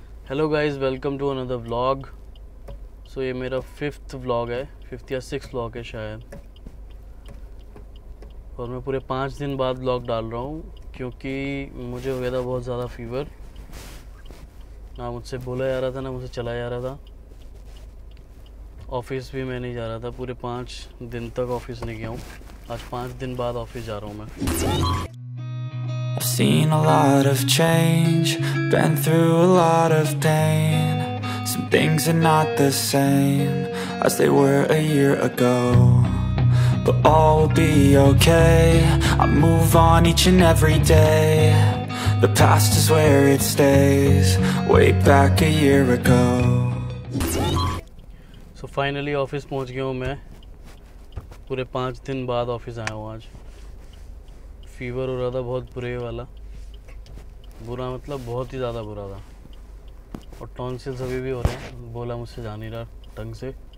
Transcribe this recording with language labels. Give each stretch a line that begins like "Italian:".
Hindi: Hello guys, welcome to another vlog. सो ये मेरा fifth vlog है, फिफ्थ या सिक्स व्लॉग है शायद, और मैं पूरे 5 दिन बाद व्लॉग डाल रहा हूँ क्योंकि मुझे हो गया था बहुत ज़्यादा फीवर। ना मुझसे बोला जा रहा था, ना मुझसे चलाया जा रहा था, ऑफिस भी मैं नहीं जा रहा था। पूरे 5 दिन तक ऑफिस नहीं गया हूँ, आज 5 दिन बाद ऑफिस जा रहा हूँ मैं।
English: I've seen a lot of change, been through a lot of pain. Some things are not the same as they were a year ago. But all will be okay, I move on each and every day. The past is where it stays, way back a year ago.
Hindi: So finally office पहुंच गया हूं मैं। पूरे 5 दिन बाद office आया हूं आज। फीवर हो रहा था बहुत बुरे वाला, बुरा मतलब बहुत ही ज़्यादा बुरा था, और टॉन्सिल्स अभी भी हो रहे हैं, बोला मुझसे जा नहीं रहा ढंग से।